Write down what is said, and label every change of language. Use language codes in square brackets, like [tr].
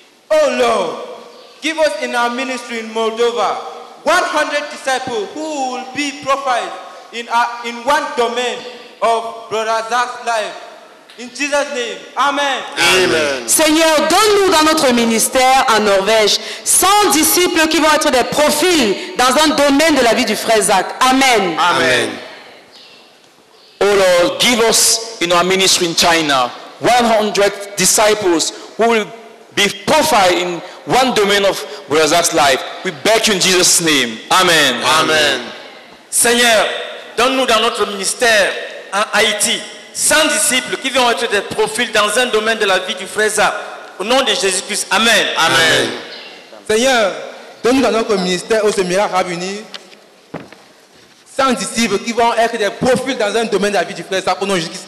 [en] Oh Lord, give us in our ministry in Moldova 100 disciples who will be profiled in one domain of Brother Zach's life. In Jesus' name, amen. Amen. [fr] Seigneur, donne-nous dans notre ministère en Norvège 100 disciples qui vont être des profils dans un domaine de la vie du frère Zach. Amen. Amen. [en] Oh Lord, give us in our ministry in China 100 disciples who will be profiled in one domain of Brazil's life. We beg you in Jesus' name. Amen. Amen. [fr] Seigneur, donne-nous dans notre ministère en Haïti 100 disciples qui vont être des profils dans un domaine de la vie du frère Zach. Au nom de Jésus-Christ. Amen. Amen. Seigneur, donne-nous dans notre ministère au séminaire à venir 100 disciples qui vont être des profils dans un domaine de la vie du frère Zach. Au nom de Jésus-Christ.